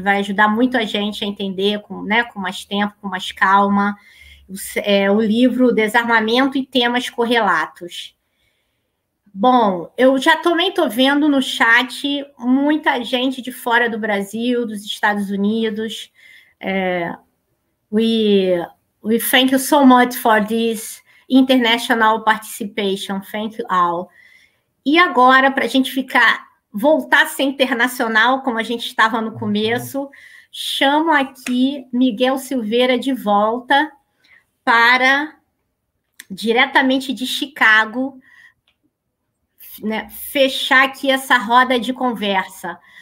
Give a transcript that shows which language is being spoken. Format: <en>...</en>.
<pt>Vai ajudar muito a gente a entender com mais tempo, com mais calma, o livro Desarmamento e Temas Correlatos. Bom, eu já também estou vendo no chat muita gente de fora do Brasil, dos Estados Unidos,</pt> <en>We thank you so much for this international participation. Thank you all.</en> <pt>E agora, para a gente voltar a ser internacional, como a gente estava no começo, chamo aqui Miguel Silveira de volta para, diretamente de Chicago, né, fechar aqui essa roda de conversa.</pt>